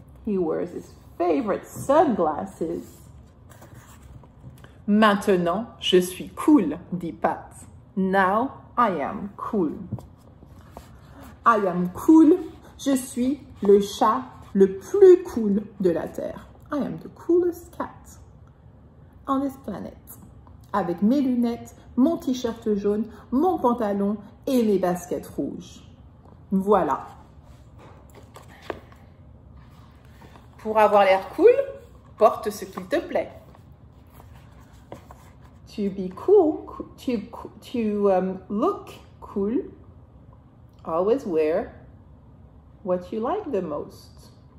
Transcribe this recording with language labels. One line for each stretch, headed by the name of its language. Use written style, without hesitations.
English: He wears his favorite sunglasses.
French: Maintenant, je suis cool, dit Pat.
English: Now, I am cool. I am cool.
French: Je suis le chat le plus cool de la Terre.
English: I am the coolest cat on this planet.
French: Avec mes lunettes, mon t-shirt jaune, mon pantalon et mes baskets rouges. Voilà. Pour avoir l'air cool, porte ce qu'il te plaît.
English: To be cool, to look cool, always wear what you like the most.